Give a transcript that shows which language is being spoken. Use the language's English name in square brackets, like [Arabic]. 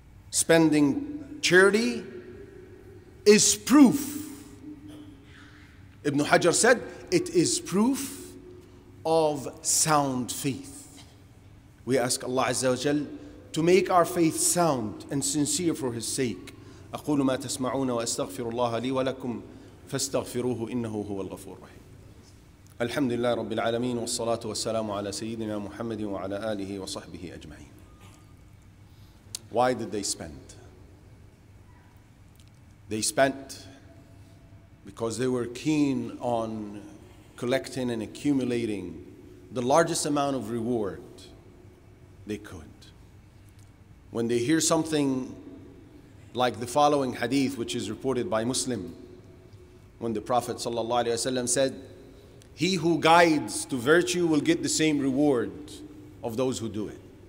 [English] Spending charity is proof. Ibn Hajar said, it is proof of sound faith. We ask Allah Azza wa Jal to make our faith sound and sincere for His sake. [Arabic] أقول ما تسمعون وأستغفر الله لي ولكم فاستغفروه إنه هو الغفور الرحيم. الحمد لله رب العالمين والصلاة والسلام على سيدنا محمد وعلى آله وصحبه أجمعين. [English] Why did they spend? They spent because they were keen on collecting and accumulating the largest amount of reward they could. When they hear something like the following hadith, which is reported by Muslim, when the Prophet sallallahu alaihi wasallam said, "He who guides to virtue will get the same reward of those who do it."